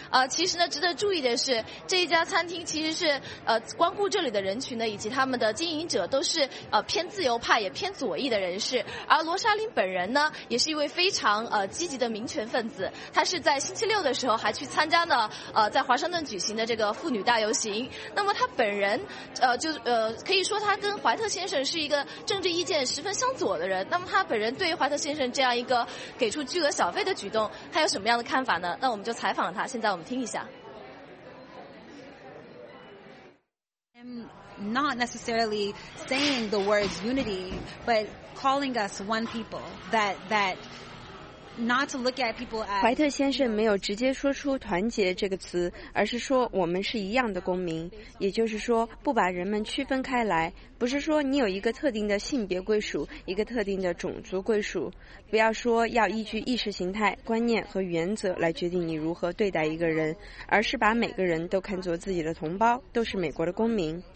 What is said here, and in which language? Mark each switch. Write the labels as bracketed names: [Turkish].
[Chinese] 其实呢，值得注意的是，这一家餐厅其实是光顾这里的人群呢以及他们的经营者都是偏自由派也偏左翼的人士，而罗莎琳本人呢也是一位非常积极的民权分子，他是在星期六的时候还去参加呢在华盛顿举行的这个妇女大游行。那么他本人可以说他跟怀特先生是一个政治意见十分相左的人。那么他本人对于怀特先生这样一个给出巨额小费的举动，他有什么样的看法呢？那我们就采访了他，现在我们听一下。 [English] Not necessarily saying the words unity, but calling us one people. That not to look at people as. [Chinese] 怀特先生没有直接说出团结这个词，而是说我们是一样的公民，也就是说不把人们区分开来，不是说你有一个特定的性别归属，一个特定的种族归属。不要说要依据意识形态、观念和原则来决定你如何对待一个人，而是把每个人都看作自己的同胞，都是美国的公民。